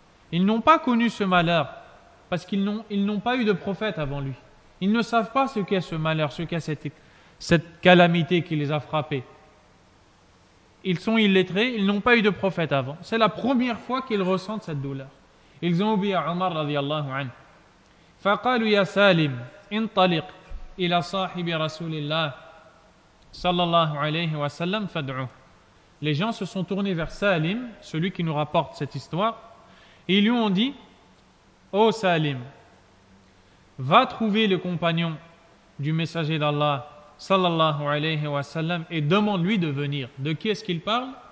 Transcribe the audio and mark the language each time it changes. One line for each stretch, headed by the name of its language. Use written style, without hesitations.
French: Ils n'ont pas connu ce malheur parce qu'ils n'ont pas eu de prophète avant lui. Ils ne savent pas ce qu'est ce malheur, ce qu'est cette calamité qui les a frappés. Ils sont illettrés, ils n'ont pas eu de prophète avant. C'est la première fois qu'ils ressentent cette douleur. Ils ont obéi à Omar radiallahu anhu.
Arabic: فَقَالُوا يَا سَالِمْ انطلق إلى صاحب رسول الله صلى الله عليه وسلم فادعوه.
French: Les gens se sont tournés vers Salim, celui qui nous rapporte cette histoire, et ils lui ont dit, ô Salim, va trouver le compagnon du messager d'Allah sallallahu alayhi wa sallam et demande-lui de venir. De qui est-ce qu'il parle?